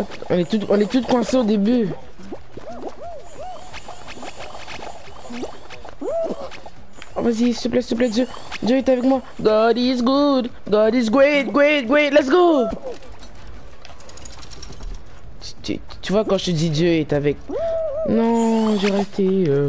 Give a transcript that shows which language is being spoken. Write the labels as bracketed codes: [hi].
[fr] On est toutes coincées au début. Oh, vas-y, s'il te plaît, Dieu est avec moi. [en] God is good, God is great, let's go. [fr] Tu vois quand je te dis Dieu est avec. Non, j'ai raté.